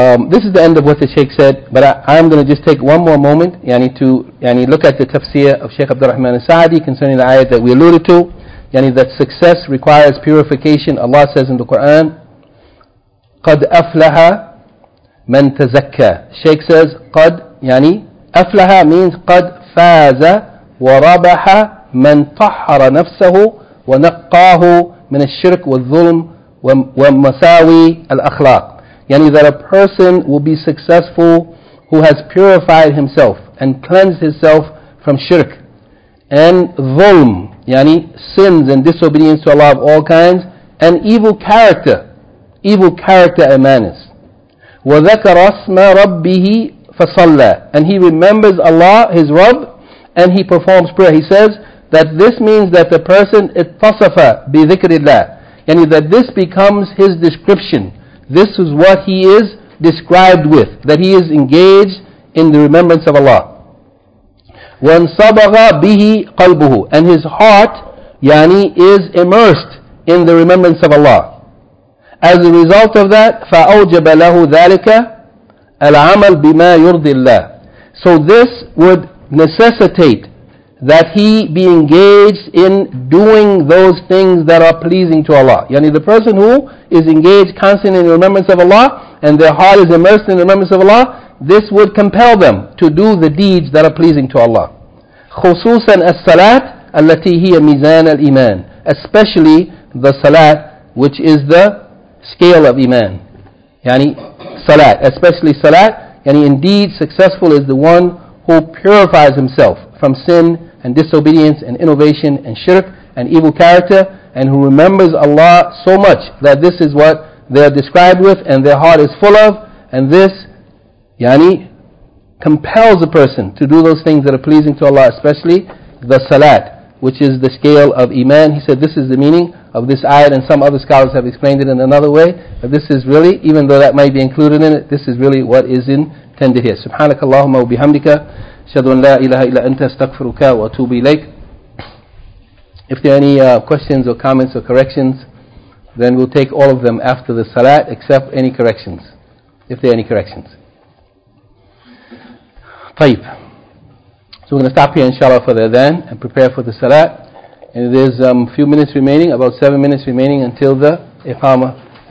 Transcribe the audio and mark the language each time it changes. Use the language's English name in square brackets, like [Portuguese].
[English] This is the end of what the Shaykh said, but I'm going to just take one more moment, yani, to, yani, look at the tafsir of Shaykh Abdul Rahman al-Sa'di concerning the ayat that we alluded to, yani, that success requires purification. Allah says in the Quran, [Arabic] قَدْ أَفْلَحَ مَن تَزَكَّى. [English] Shaykh says, [Arabic] قَدْ, yani, أَفْلَحَ means قَدْ فَازَ وَرَبَحَ مَن طَحَّرَ نَفْسَهُ وَنَقَّاهُ مِنَ الشِّرْكِ وَالظُّلْمِ وَمَسَاوِي الْأَخْلَاقِ. [English] Yani, that a person will be successful who has purified himself and cleansed himself from shirk and dhulm, yani, sins and disobedience to Allah of all kinds, and evil character and manners. [Arabic] وَذَكَرَ اسْمَ رَبِّهِ فَصَلَّى. [English] And he remembers Allah, his Rabb, and he performs prayer. He says that this means that the person [Arabic] اتَّصَفَ بِذِكْرِ اللَّهِ, [English] yani, that this becomes his description. This is what he is described with, that he is engaged in the remembrance of Allah. [Arabic] وَانْصَبَغَ بِهِ قَلْبُهُ. [English] And his heart, yani, is immersed in the remembrance of Allah. As a result of that, [Arabic] فَأَوْجَبَ لَهُ ذَلِكَ الْعَمَلْ بِمَا يُرْضِ اللَّهِ. [English] So this would necessitate that he be engaged in doing those things that are pleasing to Allah. Yani, the person who is engaged constantly in the remembrance of Allah, and their heart is immersed in the remembrance of Allah, this would compel them to do the deeds that are pleasing to Allah. [Arabic] خُصُوصًا الصَّلَاةِ الَّتِي هِيَ مِزَانَ الْإِيمَانِ. [English] Especially the salat, which is the scale of iman. Yani, salat, especially salat. Yani, indeed, successful is the one who purifies himself from sin and disobedience and innovation and shirk and evil character, and who remembers Allah so much that this is what they are described with and their heart is full of, and this, yani, compels a person to do those things that are pleasing to Allah, especially the salat, which is the scale of iman. He said this is the meaning of this ayat, and some other scholars have explained it in another way, but this is really, even though that might be included in it, this is really what is intended here. [Arabic] Subhanakallahumma wa bihamdika, أشهد أن لا إله إلا أنت أستغفرك وأتوب إليك. [English] If there are any questions or comments or corrections, then we'll take all of them after the salat, except any corrections, if there are any corrections. [Arabic] طيب. [English] So we're going to stop here inshallah for the adhan and prepare for the salat. And there's a few minutes remaining, about 7 minutes remaining until the iqama.